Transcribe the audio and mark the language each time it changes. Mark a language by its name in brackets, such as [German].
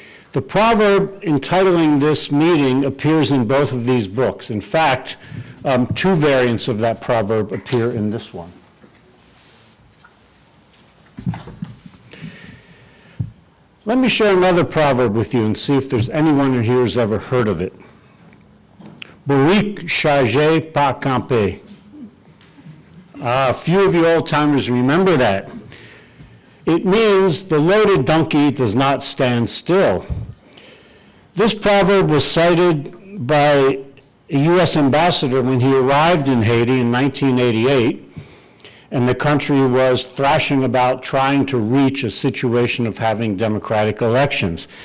[English] The proverb entitling this meeting appears in both of these books. In fact, two variants of that proverb appear in this one. Let me share another proverb with you and see if there's anyone in here who's ever heard of it. [Haitian Creole] Bourrique chargé pas campé. [English] A few of you old-timers remember that. It means the loaded donkey does not stand still. This proverb was cited by a U.S. ambassador when he arrived in Haiti in 1988, and the country was thrashing about trying to reach a situation of having democratic elections.